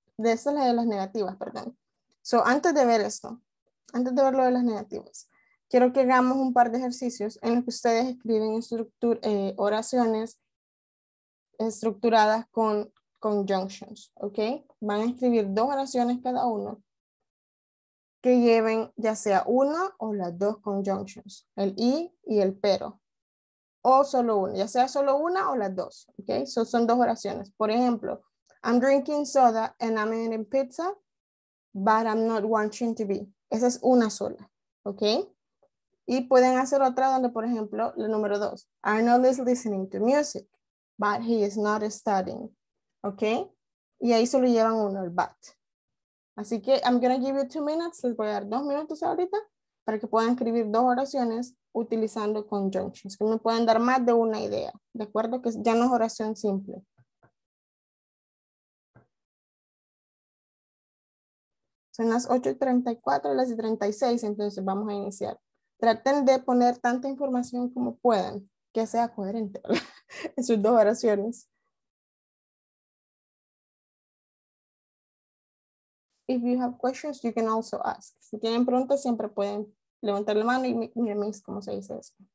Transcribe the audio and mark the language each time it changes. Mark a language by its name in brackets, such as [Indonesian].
[Spanish] De esa es la de las negativas, perdón. So, antes de ver esto, antes de ver lo de las negativas, quiero que hagamos un par de ejercicios en los que ustedes escriben oraciones estructuradas con conjunctions, ¿ok? Van a escribir dos oraciones cada uno que lleven ya sea una o las dos conjunctions, el y el pero, o solo una, ya sea solo una o las dos, ¿ok? So, son dos oraciones. Por ejemplo, [English] I'm drinking soda and I'm eating pizza, but I'm not watching TV. [Spanish] Esa es una sola, ¿ok? Y pueden hacer otra donde, por ejemplo, el número dos. [English] Arnold is listening to music, but he is not studying, ¿ok? [Spanish] Y ahí solo llevan uno, el but. Así que [English] I'm going to give you 2 minutes, [Spanish] les voy a dar 2 minutos ahorita para que puedan escribir dos oraciones utilizando conjunctions, que me pueden dar más de una idea, ¿de acuerdo? Que ya no es oración simple. Son las 8:34, las 36, entonces vamos a iniciar. Traten de poner tanta información como puedan, que sea coherente en sus dos oraciones. [English] If you have questions, you can also ask. [Spanish] Si tienen preguntas, siempre pueden levantar la mano y mirarme cómo se dice eso.